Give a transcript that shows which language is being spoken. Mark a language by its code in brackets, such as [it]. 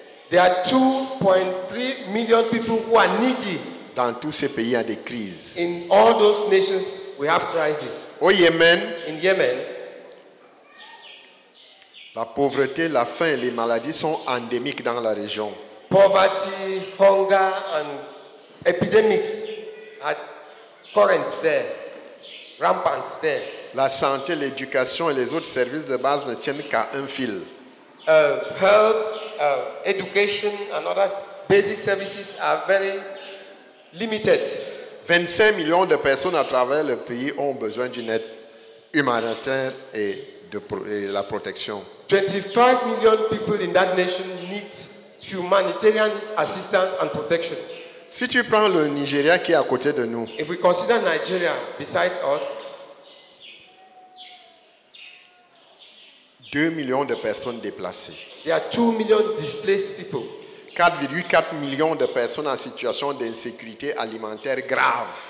[en] There are 2.3 million people who are needy. [fr] Dans tous ces pays, il y a des crises. [en] In all those nations, we have crises. [fr] Au Yémen, [en] in Yemen, [fr] la pauvreté, la faim et les maladies sont endémiques dans la région. [en] Poverty, hunger and epidemics are current there, rampant there. [fr] La santé, l'éducation et les autres services de base ne tiennent qu'à un fil. [en] Health, education and other basic services are very limited. [fr] 25 millions de personnes à travers le pays ont besoin d'une aide humanitaire et la protection. [en] 25 million people in that nation need humanitarian assistance and protection. [fr] Si tu prends le Nigeria qui est à côté de nous. [en] If we consider Nigeria beside us. [fr] 2 millions de personnes déplacées. [en] There are 2 million displaced people. [fr] 4,4 millions de personnes en situation d'insécurité alimentaire grave.